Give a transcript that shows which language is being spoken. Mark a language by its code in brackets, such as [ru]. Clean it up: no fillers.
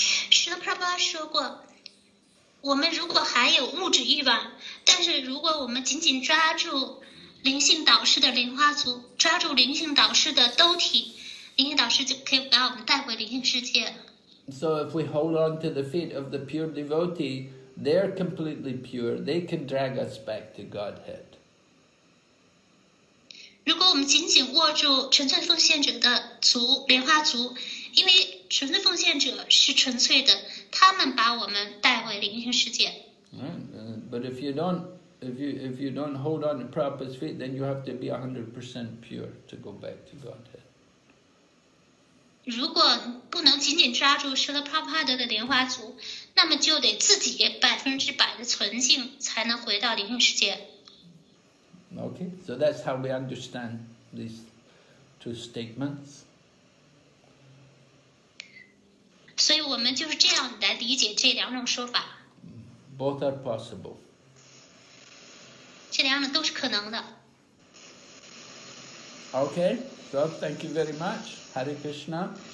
[zh] Srila Prabhupada 说过，我们如果还有物质欲望，但是如果我们紧紧抓住灵性导师的莲花足，抓住灵性导师的兜体，灵性导师就可以把我们带回灵性世界。 [en] So if we hold on to the feet of the pure devotee, they're completely pure. They can drag us back to Godhead. [zh] 如果我们紧紧握住纯粹奉献者的足，莲花足，因为纯粹奉献者是纯粹的，他们把我们带回灵性世界。 [en] But if you don't hold on to Prabhupada's feet, then you have to be 100% pure to go back to Godhead. [zh] 如果不能紧紧抓住舍勒帕帕德的莲花足，那么就得自己100%的纯净才能回到灵性世界。 [en] Okay, so that's how we understand these two statements. [zh] 所以我们就是这样来理解这两种说法。 [en] Both are possible. [zh] 这两种都是可能的。 [en] Okay, so thank you very much. Hare Krishna.